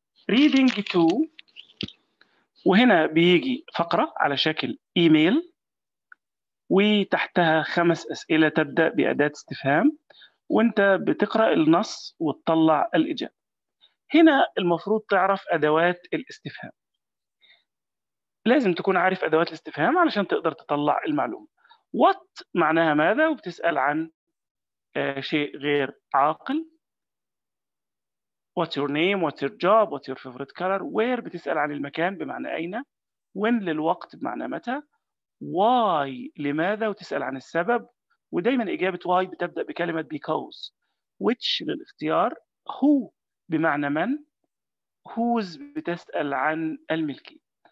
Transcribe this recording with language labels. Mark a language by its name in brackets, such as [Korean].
[Arabic] Reading 2، وهنا بيجي فقرة على شكل إيميل وتحتها 5 أسئلة تبدأ بأداة استفهام، وانت بتقرأ النص وتطلع الإجابة. هنا المفروض تعرف أدوات الاستفهام، لازم تكون عارف أدوات الاستفهام علشان تقدر تطلع المعلومة. What معناها ماذا، وبتسأل عن شيء غير عاقل. [English] What's your name, what's your job, what's your favorite color. [Arabic] Where بتسأل عن المكان بمعنى أين. When للوقت بمعنى متى. Why لماذا، وتسأل عن السبب. ودايما إجابة why بتبدأ بكلمة because. Which للاختيار. Who بمعنى من. Whose بتسأل عن الملكي.